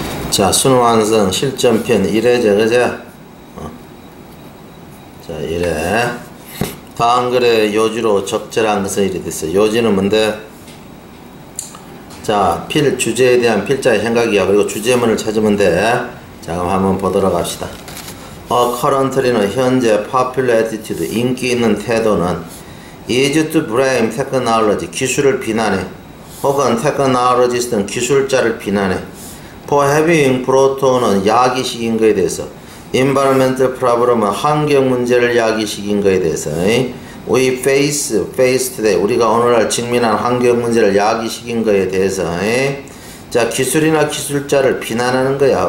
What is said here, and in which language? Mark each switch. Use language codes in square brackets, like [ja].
[ko] 자, 수능완성 실전편 1회죠, 그죠? 자, 1회. 다음 글의 요지로 적절한 것은 이래 됐어요. 요지는 뭔데? 자, 필 주제에 대한 필자의 생각이야. 그리고 주제문을 찾으면 돼. 자, 그럼 한번 보도록 합시다. [en] A currently는 [ko] 현재 [en] popular attitude, [ko] 인기 있는 태도는 [en] is to blame technology, [ko] 기술을 비난해. 혹은 [en] technologist [ko] 는 기술자를 비난해. [en] For having brought on [ko] 은 야기식인 것에 대해서, [en] environmental problem [ko] 은 환경 문제를 야기식인 것에 대해서, [en] we face today, [ko] 우리가 오늘날 직면한 환경 문제를 야기식인 것에 대해서, 자, 기술이나 기술자를 비난하는 거야.